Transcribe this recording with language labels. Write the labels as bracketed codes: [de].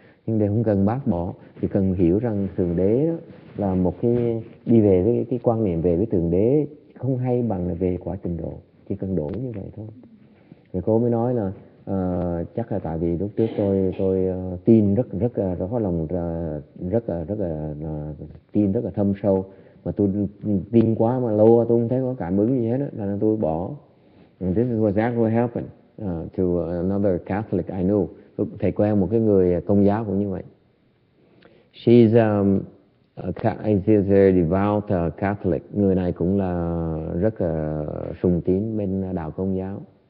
[vi] Nhưng đây không cần bác bỏ, chỉ cần hiểu rằng Thượng Đế đó là một cái đi về với cái quan niệm về với Thượng Đế không hay bằng là về quả trình độ, chỉ cần đổi như vậy thôi. Thì cô mới nói là chắc là tại vì lúc trước tôi tin rất là thâm sâu, mà tôi tin quá mà lâu tôi không thấy có cảm ứng gì hết đó, nên tôi bỏ. [en] And this is exactly what happened to another Catholic I knew. [vi] Thầy quen một cái người Công giáo cũng như vậy. [en] She's a devout Catholic. [vi] Người này cũng là rất sùng tín bên đạo Công giáo.